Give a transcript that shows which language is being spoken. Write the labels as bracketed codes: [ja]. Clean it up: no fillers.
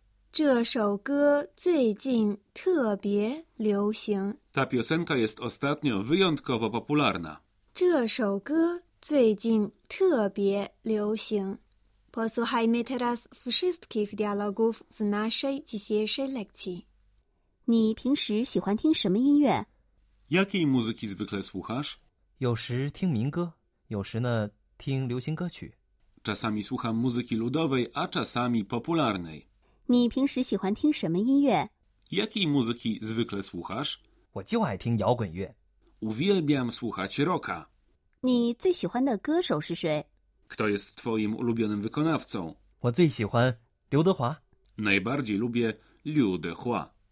[zh] 这首歌最近特别流行 [pl] ta piosenka jest ostatnio wyjątkowo popularna [zh] 这首歌最近特别流行 [pl] posłuchajmy teraz wszystkich dialogów z naszej dzisiejszej lekcji [zh] 你平时喜欢听什么音乐 [pl] jakiej muzyki zwykle słuchasz [zh] 有时听民歌有时呢听流行歌曲 [pl] Czasami słucham muzyki ludowej, a czasami popularnej. [zh] 你平时喜欢听什么音乐? [pl] Jakiej muzyki zwykle słuchasz? [zh] 我就爱听摇滚乐。 [pl] Uwielbiam słuchać rocka. [zh] 你最喜欢的歌手是谁? [pl] Kto jest twoim ulubionym wykonawcą? [zh] 我最喜欢刘德华。 [pl] Najbardziej lubię 刘德华。